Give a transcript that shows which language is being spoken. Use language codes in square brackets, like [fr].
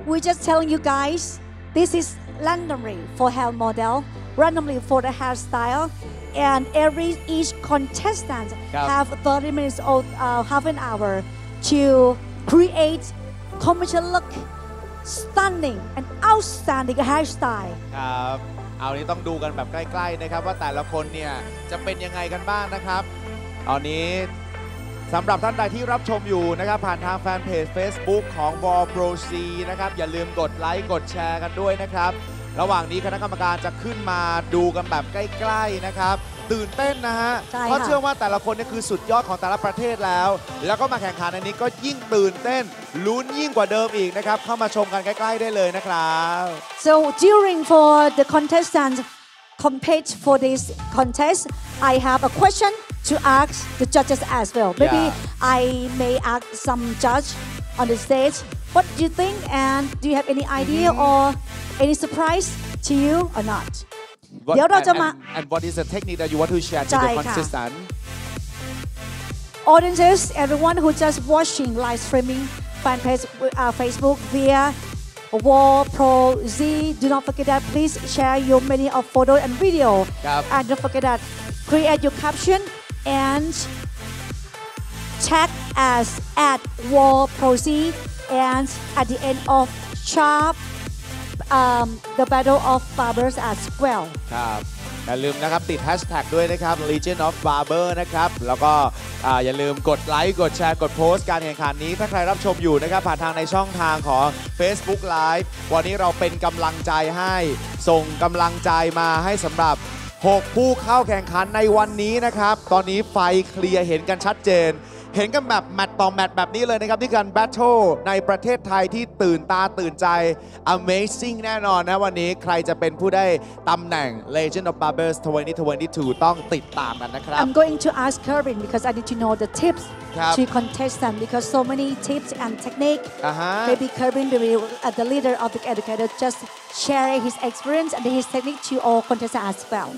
[en] we're just telling you guys this is randomly for hair model randomly for the hairstyle and each contestant have 30 minutes or half an hour to create commercial look stunning and outstanding hairstyle [th] ครับเอานี้ต้องดูกันแบบใกล้ๆนะครับว่าแต่ละคนเนี่ยจะเป็นยังไงกันบ้างนะครับตอนนี้สำหรับท่านใดที่รับชมอยู่นะครับผ่านทางแฟนเพจ Facebook ของ Ball Pro C นะครับอย่าลืมกดไลค์กดแชร์กันด้วยนะครับระหว่างนี้คณะกรรมการจะขึ้นมาดูกันแบบใกล้ๆนะครับตื่นเต้นนะฮะเพราะเชื่อว่าแต่ละคนนี่คือสุดยอดของแต่ละประเทศแล้วแล้วก็มาแข่งขันอันนี้ก็ยิ่งตื่นเต้นลุ้นยิ่งกว่าเดิมอีกนะครับเข้ามาชมกันใกล้ๆได้เลยนะครับ [en] So during for the contestants compete for this contest I have a question to ask the judges as well maybe I may ask some judge on the stage what do you think and do you have any idea or any surprise to you or not [th] เดี๋ยวเราจะมา [en] and what is the technique that you want to share to the contestant audiences everyone who just watching live streaming fan page Facebook via Wall Pro Z do not forget that please share your many of photo and video and don't forget that create your caption and tag us at Wall Pro Z and at the end of sharpthe battle of barbers as well [th] ครับอย่าลืมนะครับติด hashtag ด้วยนะครับ Legend of Barber นะครับแล้วก็อย่าลืมกดไลค์กดแชร์กดโพสต์การแข่งขันนี้ถ้าใครรับชมอยู่นะครับผ่านทางในช่องทางของ Facebook Live วันนี้เราเป็นกำลังใจให้ส่งกำลังใจมาให้สำหรับ 6ผู้เข้าแข่งขันในวันนี้นะครับตอนนี้ไฟเคลียร์เห็นกันชัดเจนเห็นกันแบบแมตต์ต่อแมตต์แบบนี้เลยนะครับที่การแบทเทิลในประเทศไทยที่ตื่นตาตื่นใจ Amazing แน่นอนนะวันนี้ใครจะเป็นผู้ได้ตำแหน่ง Legend of Barbers 2022ต้องติดตามกันนะครับ [en] I'm going to ask Kevin because I need to know the tips to contest them because so many tips and technique maybe Kevin the leader of the educator just share his experience and his technique to all contestants as well